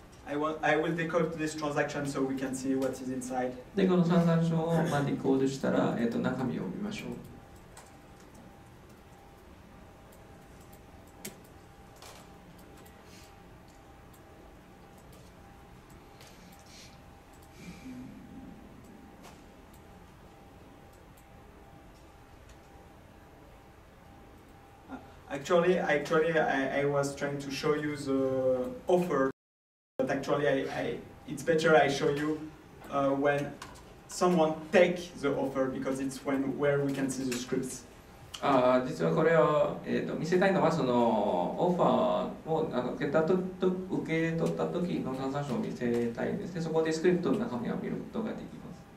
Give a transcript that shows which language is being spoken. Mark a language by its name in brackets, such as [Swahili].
[English] I will decode this transaction so we can see what is inside. [Japanese] で、このトランザクションをまあディコードしたら、中身を見ましょう。 [English] Actually, I was trying to show you the offer, but actually, it's better I show you when someone take the offer because it's when where we can see the scripts. [Japanese] Ah, 実はこれを見せたいのはそのオファーを受け取った時のトランザクションを見せたいんですね。そこでスクリプトの中身を見ることができます。